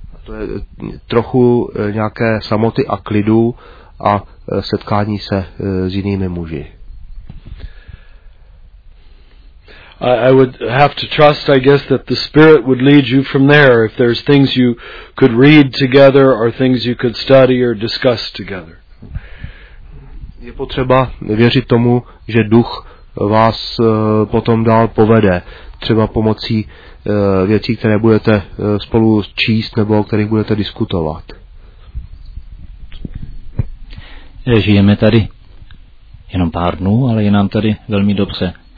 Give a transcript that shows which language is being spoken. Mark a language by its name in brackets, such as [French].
[Czech] To je trochu nějaké samoty a klidu a setkání se s jinými muži. [English] I would have to trust, I guess, that the Spirit would lead you from there if there's things you could read together or things you could study or discuss together. [Czech] Je potřeba věřit tomu, že duch vás potom dál povede, třeba pomocí věcí, které budete spolu číst nebo o kterých budete diskutovat. Žijeme tady jenom pár dnů, ale je nám tady velmi dobře.